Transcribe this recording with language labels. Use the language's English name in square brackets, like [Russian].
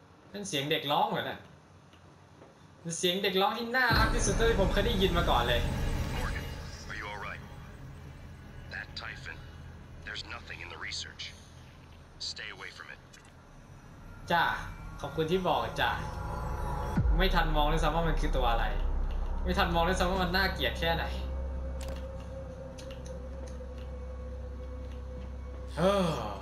[Thai] เป็นเสียงเด็กร้องเหรอเนี่ยเสียงเด็กร้องที่น่ารักที่สุดที่ผมเคยได้ยินมาก่อนเลย [English] Morgan, are you alright? That typhon, there's nothing in the research. Stay away from it. [Thai] จ้าขอบคุณที่บอกจ้าไม่ทันมองเลยซ้ำว่ามันคือตัวอะไรไม่ทันมองเลยซ้ำว่ามันน่าเกลียดแค่ไหนเฮ้อ